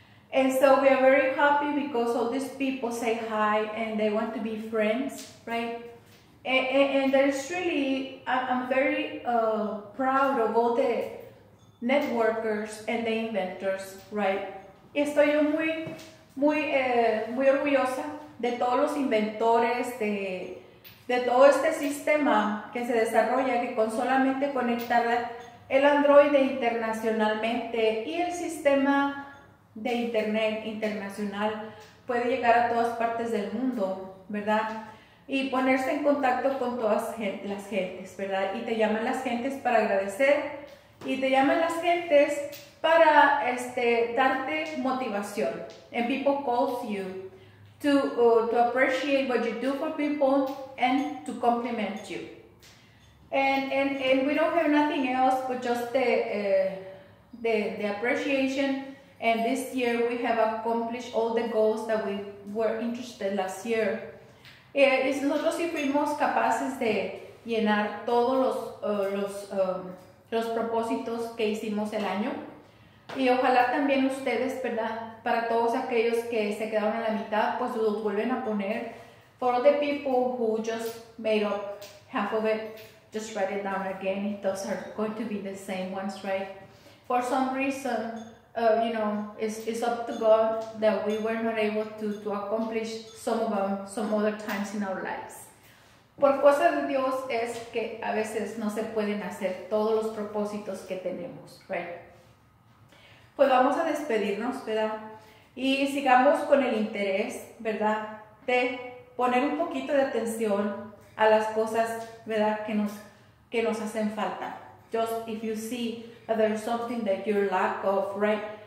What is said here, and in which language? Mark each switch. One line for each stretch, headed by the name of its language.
English: And so we are very happy because all these people say hi and they want to be friends, right? And there's really, I'm very proud of all the networkers and the inventors, right?
Spanish: Y estoy yo muy orgullosa de todos los inventores, de todo este sistema que se desarrolla, que con solamente conectar el Android internacionalmente y el sistema de internet internacional puede llegar a todas partes del mundo, ¿verdad? Y ponerse en contacto con todas las gentes, ¿verdad? Y te llaman las gentes para agradecer, y te llaman las gentes para darte motivación.
English: And people calls you to appreciate what you do for people and to compliment you. And we don't have nothing else but just the appreciation. And this year we have accomplished all the goals that we were interested last year.
Spanish: Nosotros sí fuimos capaces de llenar todos los propósitos que hicimos el año. Y ojalá también ustedes, ¿verdad? Para todos aquellos que se quedaron a la mitad, pues los vuelven a poner.
English: For the people who just made up half of it, just write it down again. Those are going to be the same ones, right? For some reason, you know, it's up to God that we were not able to accomplish some of them some other times in our lives.
Spanish: Por cosa de Dios es que a veces no se pueden hacer todos los propósitos que tenemos, right? Pues vamos a despedirnos, ¿verdad? Y sigamos con el interés, ¿verdad? De poner un poquito de atención a las cosas, ¿verdad? Que nos hacen falta.
English: Just if you see that there's something that you're lack of, right?